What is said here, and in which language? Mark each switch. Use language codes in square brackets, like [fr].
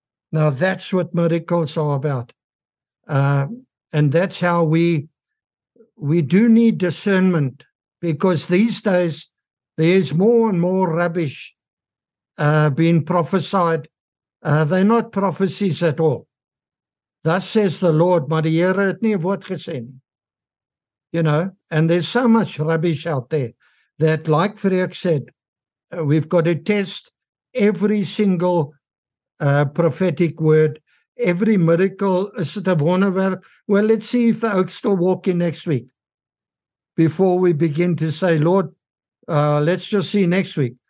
[en] Now, that's what miracles are about. And that's how we do need discernment, because these days there's more and more rubbish being prophesied. They're not prophecies at all. Thus says the Lord, [af] maar die Here het nie woord gesê nie. [en] You know, and there's so much rubbish out there that, like Freek said, we've got to test every single prophetic word, every miracle, is it a wonder? Well, let's see if the oaks still walk in next week before we begin to say, Lord, let's just see next week.